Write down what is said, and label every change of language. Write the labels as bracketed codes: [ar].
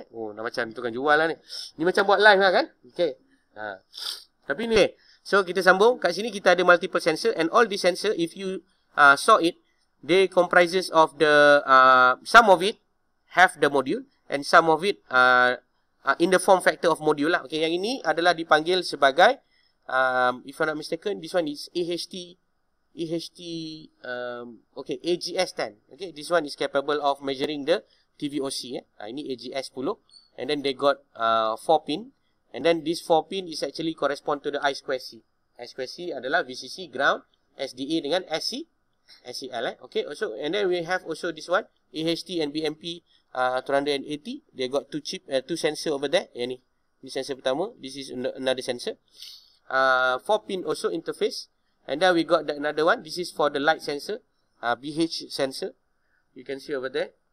[ms] Oh, nak macam tukang jual lah ni. Ni macam buat live lah kan? Okay. Tapi ni, so kita sambung. Kat sini kita ada [en] multiple sensor, and all these sensor, if you saw it, they comprises of the some of it have the module. And some of it in the form factor of module lah. Okay, [ms] yang ini adalah dipanggil sebagai, [en] if I'm not mistaken, this one is AGS-10. Okay, this one is capable of measuring the TVOC. Ini AGS-10. And then they got 4 pin. And then this 4 pin is actually correspond to the I2C. [ms] I2C adalah VCC, ground, SDA dengan SC, SCL. [en] Okay, also, and then we have also this one, AHT and BMP. 280, they got two chip, two sensor over there. [ms] Yang ni, ni sensor pertama. [en] This is another sensor. 4 pin also interface. And then we got the another one. This is for the light sensor, BH sensor. You can see over there.